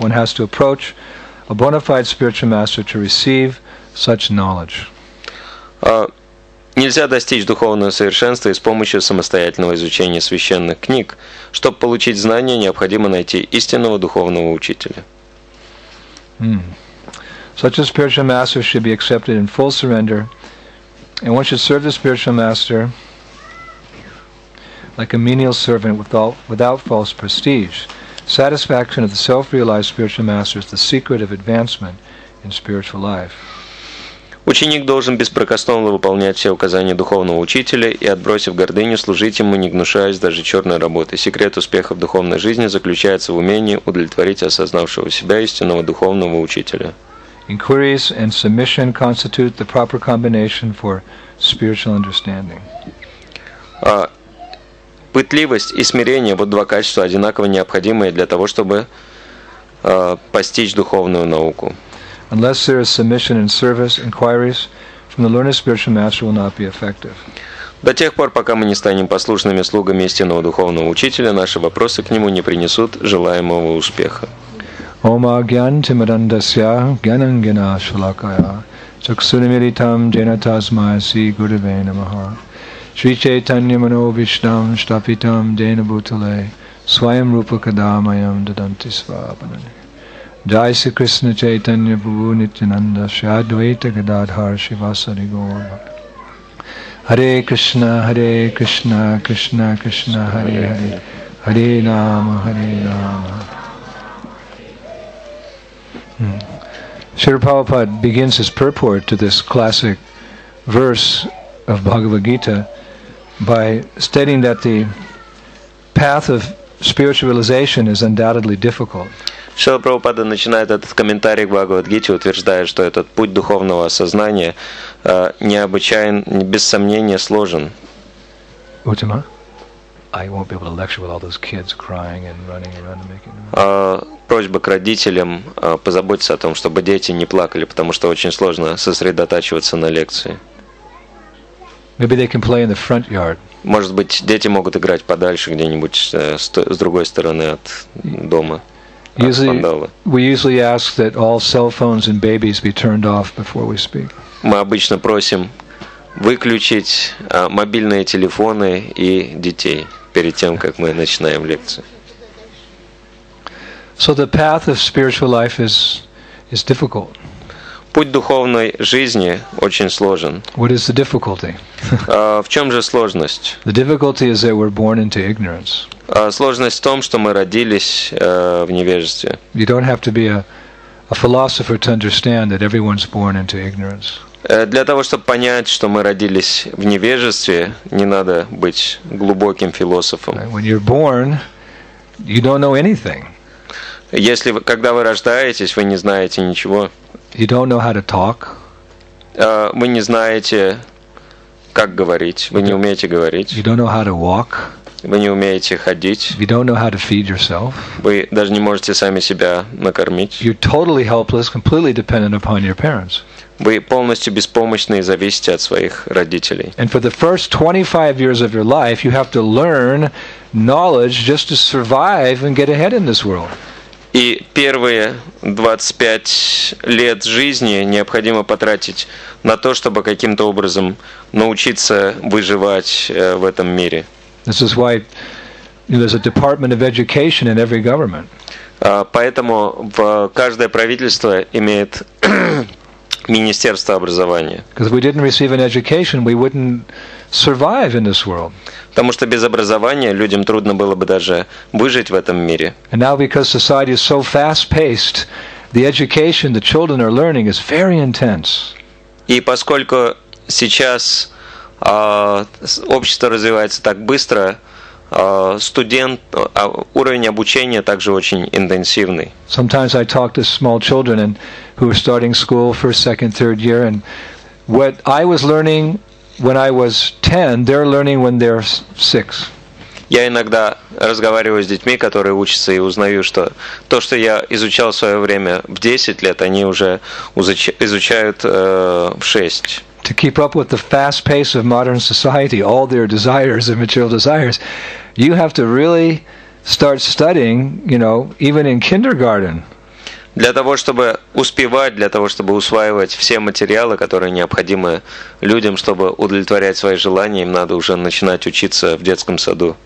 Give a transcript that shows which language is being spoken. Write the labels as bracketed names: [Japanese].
[English] One has to approach a bona fide spiritual master to receive such knowledge. [Russian] Нельзя достичь духовного совершенства и с помощью самостоятельного изучения священных книг. Чтобы получить знания, необходимо найти истинного духовного учителя. [English] Such a spiritual master should be accepted in full surrender, and one should serve the spiritual master like a menial servant without false prestige. Satisfaction of the self-realized spiritual master is the secret of advancement in spiritual life. [Russian] Ученик должен беспрекословно выполнять все указания духовного учителя и, отбросив гордыню, служить ему, не гнушаясь даже черной работы. Секрет успеха в духовной жизни заключается в умении удовлетворить осознавшего себя истинного духовного учителя. [English] Inquiries and submission constitute the proper combination for spiritual understanding. [Russian] пытливость и смирение – вот два качества, одинаково необходимые для того, чтобы постичь духовную науку. [English] Unless there is submission and service, inquiries from the learned spiritual master will not be effective. [Russian] До тех пор, пока мы не станем послушными слугами истинного духовного учителя, наши вопросы к нему не принесут желаемого успеха. [Sanskrit] Ом агьян тимадандасья гьянангина шалакая чаксунамилитам джейнатасмая си гурве намаха Шри Чайтанья Мановишнам Штапитам Дейна Бутале Свайам Рупа Кадамаям Даданти Свабанане Джай Си Кришна Чайтанья Бубу Нитинанда Шри Адвайта Гададхар Шивасари Гор Харе Кришна, Харе Кришна, Кришна Кришна, Харе Харе, Харе Нама, Харе Нама. [English] Шрила Прабхупада begins his purport to this classic verse of Bhagavad Gita by stating that the path of spiritual realization is undoubtedly difficult. [Russian] Шрила Прабхупада начинает этот комментарий к Бхагавад-гите, утверждая, что этот путь духовного осознания необычайно, без сомнения, сложен. [English] Утима, I won't be able to lecture with all those kids crying and running around and making noise. [Russian] Просьба к родителям позаботиться о том, чтобы дети не плакали, потому что очень сложно сосредотачиваться на лекции. [English] Maybe they can play in the front yard. [Russian] Может быть, дети могут играть подальше где-нибудь с другой стороны от дома. [English] We usually ask that all cell phones and babies be turned off before we speak. [Russian] Мы обычно просим выключить мобильные телефоны и детей перед тем, как мы начинаем лекцию. [English] So the path of spiritual life is difficult. [Russian] Путь духовной жизни очень сложен. [English] What is the difficulty? [Russian] В чем же сложность? [English] The difficulty is that we're born into ignorance. [Russian] Сложность в том, что мы родились в невежестве. [English] You don't have to be a philosopher to understand that everyone's born into ignorance. [Russian] Для того, чтобы понять, что мы родились в невежестве, не надо быть глубоким философом. [English] When you're born, you don't know anything. [Russian] Если вы, когда вы рождаетесь, вы не знаете ничего. [English] You don't know how to talk. [Russian] Вы не знаете, как говорить. Вы не умеете говорить. [English] You don't know how to walk. [Russian] Вы не умеете ходить. [English] You don't know how to feed yourself. [Russian] Вы даже не можете сами себя накормить. [English] You're totally helpless, completely dependent upon your parents. [Russian] Вы полностью беспомощны и зависите от своих родителей. [English] And for the first 25 years of your life, you have to learn knowledge just to survive and get ahead in this world. [Russian] И первые 25 лет жизни необходимо потратить на то, чтобы каким-то образом научиться выживать в этом мире. [English] This is why there's a department of education in every government. [Russian] Поэтому каждое правительство имеет министерство образования. [English] Because if we didn't receive an education, we wouldn't survive in this world. [Russian] Потому что без образования людям трудно было бы даже выжить в этом мире. [English] And now because society is so fast-paced, the education the children are learning is very intense. [Russian] И поскольку сейчас общество развивается так быстро, уровень обучения также очень интенсивный. [English] Sometimes I talk to small children and who are starting school first, second, third year, and what I was learning when I was 10, they're learning when they're 6. [Russian] Я иногда разговариваю с детьми, которые учатся, и узнаю, что то, что я изучал в свое время в 10 лет, они уже изучают в 6. [English] To keep up with the fast pace of modern society, all their desires, their material desires, you have to really start studying, you know, even in kindergarten. [Russian] Для того, чтобы успевать, для того, чтобы усваивать все материалы, которые необходимы людям, чтобы удовлетворять свои желания, им надо уже начинать учиться в детском саду.